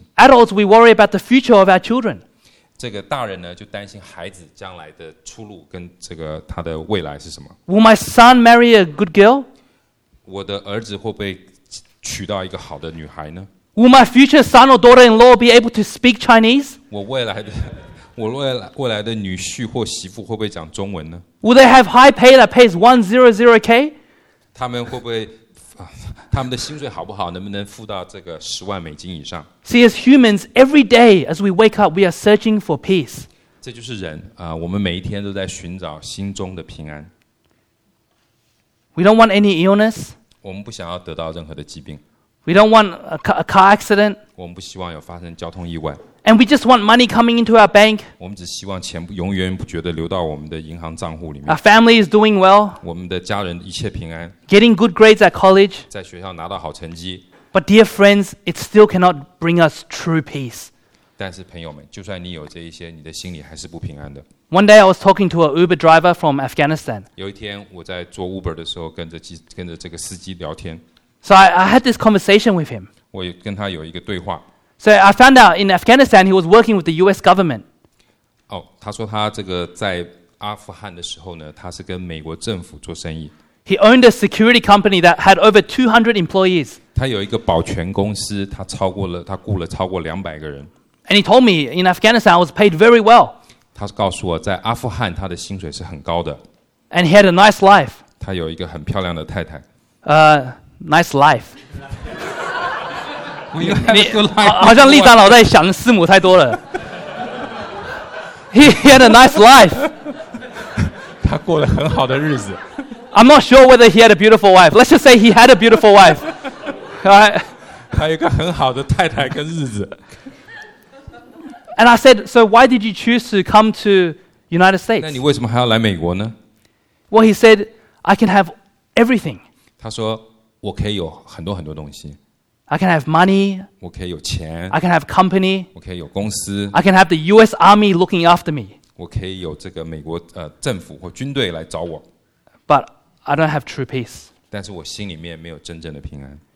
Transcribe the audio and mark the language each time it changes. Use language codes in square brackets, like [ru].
[en] See, adults, we worry about the future of our children. [zh] 这个大人呢，就担心孩子将来的出路跟这个他的未来是什么。 [en] Will my son marry a good girl? [zh] 我的儿子会不会娶到一个好的女孩呢 [en] ？Will my future son or daughter-in-law be able to speak Chinese? [zh] 我未来的女婿或媳妇会不会讲中文呢 [en] ？Will they have high pay that pays 100K? [zh] 他们会不会他们的薪水好不好？能不能付到这个$100,000以上 [en] ？See, as humans, every day as we wake up, we are searching for peace. [zh] 这就是人我们每一天都在寻找心中的平安。 [en] We don't want any illness. [zh] 我们不想要得到任何的疾病。 [en] We don't want a car accident. [zh] 我们不希望有发生交通意外。 [en] And we just want money coming into our bank. [zh] 我们只希望钱永远不觉得流到我们的银行账户里面。 [en] Our family is doing well. [zh] 我们的家人一切平安。 [en] Getting good grades at college. [zh] 在学校拿到好成绩。 [en] But dear friends, it still cannot bring us true peace. [zh] 但是朋友们，就算你有这一些，你的心里还是不平安的。 [en] One day I was talking to an Uber driver from Afghanistan. [zh] 有一天我在做 Uber 的时候，跟着这个司机聊天。 [en] So I had this conversation with him. [zh] 我跟他有一个对话。 [en] So I found out in Afghanistan he was working with the U.S. government. [zh] 他说他这个在阿富汗的时候呢，他是跟美国政府做生意。 [en] He owned a security company that had over 200 employees. [zh] 他有一个保全公司，他雇了超过200个人。 [en] And he told me in Afghanistan I was paid very well. [zh] 他告诉我在阿富汗他的薪水是很高的。 [en] And he had a nice life. [zh] 他有一个很漂亮的太太。 [en] Nice life. You [zh] 好像立达脑袋想的师母太多了。 [en] He had a nice life. [zh] 他过了很好的日子。 [en] I'm not sure whether he had a beautiful wife. Let's just say he had a beautiful wife. Right? [zh] 他有个很好的太太跟日子。 [en] And I said, so why did you choose to come to United States? [zh] 那你为什么还要来美国呢 [en] ？Well, he said, I can have everything. [zh] 他说我可以有很多很多东西。 [en] I can have money. [zh] 我可以有钱。 [en] I can have company. [zh] 我可以有公司。 [en] I can have the U.S. Army looking after me. [zh] 我可以有这个美国政府或军队来找我。 [en] But I don't have true peace. [zh] 但是我心里面没有真正的平安。